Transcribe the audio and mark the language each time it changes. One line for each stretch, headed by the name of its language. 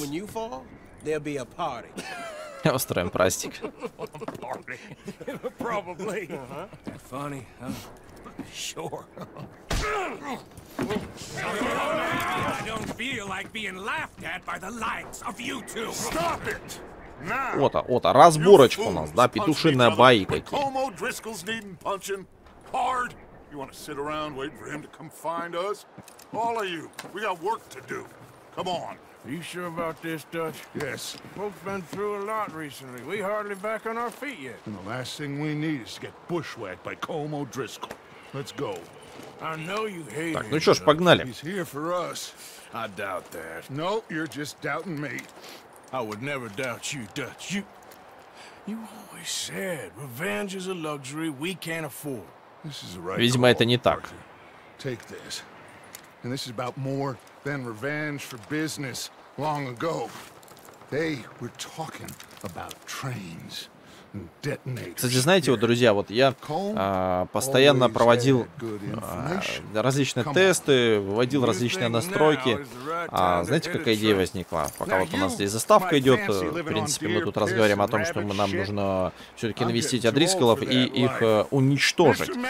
English: When you fall, there'll be a party. Устроим праздник. Party. Probably. Uh-huh. That funny, huh? Sure. I don't feel like being laughed at by the likes of you two. Stop it! Now.
Russian: Ота, разборочка у нас, да, петушиная байка.
English: Homo Driscoll's needing punching hard. You want to sit around waiting for him to come find us? All of you, we got work to do. Come on. Are you sure about this, Dutch? Yes. Both been through a lot recently. We hardly back on our feet yet. And the last thing we need is to get bushwhacked by Homo Driscoll. Let's go. I know you hate him.
Russian: Так, ну что ж, погнали.
English: He's here for us. I doubt that. No, you're just doubting me. I would never doubt you, Dutch. You always said revenge is a luxury we can't afford. This is right.
Russian: Видимо, это не так.
English: Take this. And this is about more than revenge for business long ago. They were talking about trains.
Russian: Кстати, знаете, вот, друзья, вот я постоянно проводил различные тесты, выводил различные настройки. Знаете, какая идея возникла? Пока вот у нас здесь заставка идет, в принципе, мы тут разговариваем о том, что нам нужно все-таки навестить Адрискалов и их уничтожить.